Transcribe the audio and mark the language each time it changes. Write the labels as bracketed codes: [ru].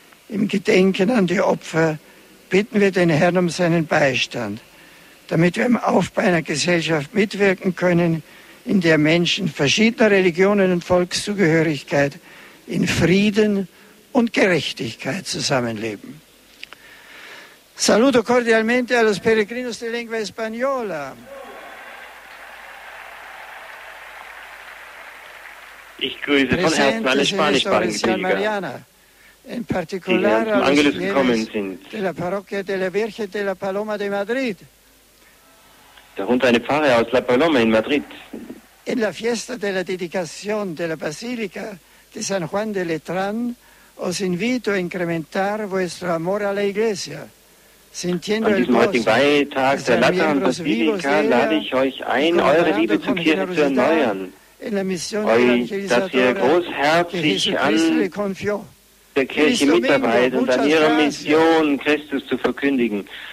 [de] Im Gedenken an die Opfer bitten wir den Herrn um seinen Beistand, damit wir im Aufbau einer Gesellschaft mitwirken können, in der Menschen verschiedener Religionen und Volkszugehörigkeit in Frieden und Gerechtigkeit zusammenleben. [es] Saluto cordialmente a los peregrinos de lengua española. [de] Ich grüße von Herzen alle spanischsprachigen Pilger, [es] in particular [de] die zum Angelus gekommen sind. [es] De la Parroquia de la Virgen de la Paloma de Madrid. [de] Darunter eine Pfarre aus La Paloma in Madrid. [es] En la fiesta de la dedicación de la Basílica de San Juan de Letrán, os invito a incrementar vuestro amor a la Iglesia. [de] An diesem heutigen Beitrag der Lateranbasilika lade ich euch ein, eure Liebe zur Kirche zu erneuern, euch, dass ihr großherzig an der Kirche mitarbeitet und an ihrer Mission, Christus zu verkündigen.